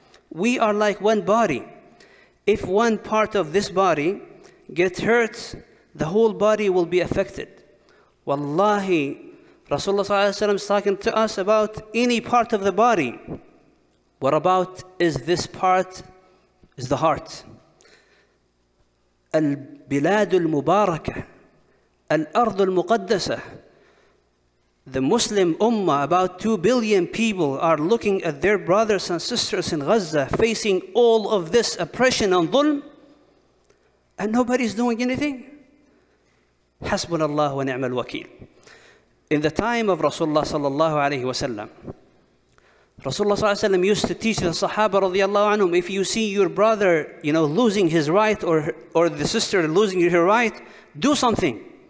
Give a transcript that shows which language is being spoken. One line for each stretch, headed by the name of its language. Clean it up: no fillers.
English: We are like one body. If one part of this body gets hurt, the whole body will be affected. Wallahi, Rasulullah sallallahu alayhi wa sallam is talking to us about any part of the body. What about is this part, is the heart?
Arabic: البلاد المباركة الأرض المقدسة.
English: The Muslim Ummah, about 2 billion people, are looking at their brothers and sisters in Gaza facing all of this oppression and ظلم, and nobody's doing anything.
Arabic: حسبنا الله ونعم الوكيل.
English: In the time of Rasulullah صلى الله عليه وسلم, Rasulullah صلى الله عليه وسلم used to teach the Sahaba رضي الله عنهم, if you see your brother, you know, losing his right, or the sister losing her right, do something.